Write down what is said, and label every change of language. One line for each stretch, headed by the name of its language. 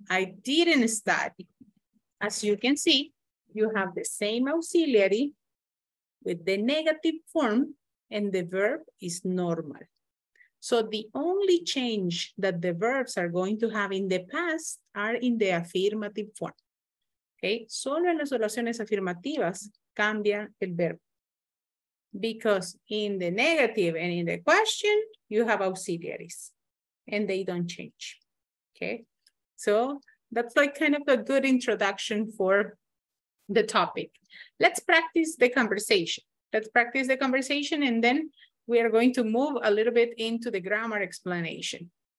English: I didn't study. As you can see, you have the same auxiliary with the negative form and the verb is normal. So the only change that the verbs are going to have in the past are in the affirmative form.
Spanish: Okay, solo en las oraciones afirmativas cambia el verbo.
English: Because in the negative and in the question, you have auxiliaries. And they don't change, okay? So that's like kind of a good introduction for the topic. Let's practice the conversation. Let's practice the conversation and then we are going to move a little bit into the grammar explanation.